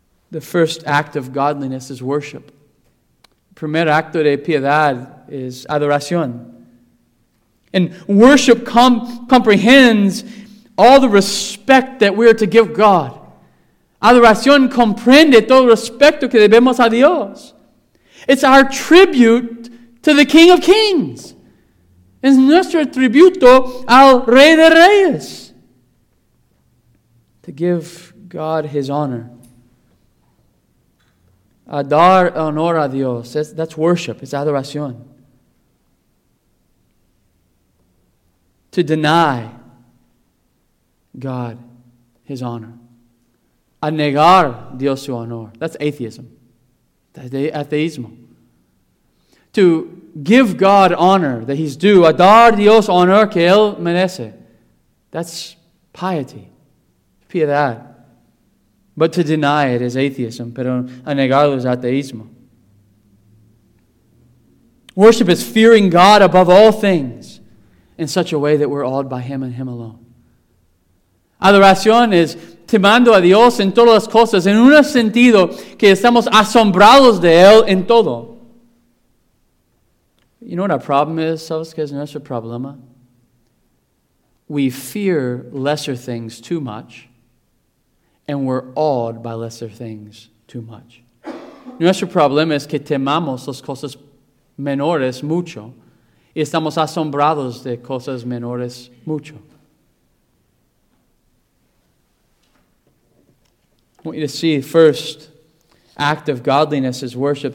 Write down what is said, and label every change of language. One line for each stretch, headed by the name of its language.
English: The first act of godliness is worship.
Spanish: Primer acto de piedad is adoración.
English: And worship comprehends all the respect that we are to give God.
Spanish: Adoración comprende todo el respeto que debemos a Dios.
English: It's our tribute to the King of Kings.
Spanish: Es nuestro tributo al Rey de Reyes.
English: To give God his honor.
Spanish: A dar honor a Dios.
English: That's worship. It's adoración. To deny God, his honor.
Spanish: A negar Dios su honor.
English: That's atheism. That's ateísmo. To give God honor that he's due.
Spanish: A dar Dios honor que él merece.
English: That's piety. Piedad. But to deny it is atheism.
Spanish: Pero a negarlo es ateísmo.
English: Worship is fearing God above all things in such a way that we're awed by him and him alone.
Spanish: Adoración es temando a Dios en todas las cosas, en un sentido que estamos asombrados de Él en todo.
English: You know what our problem is?
Spanish: ¿Sabes qué es nuestro problema?
English: We fear lesser things too much, and we're awed by lesser things too much.
Spanish: Nuestro problema es que temamos las cosas menores mucho, y estamos asombrados de cosas menores mucho.
English: I want you to see the first act of godliness is worship.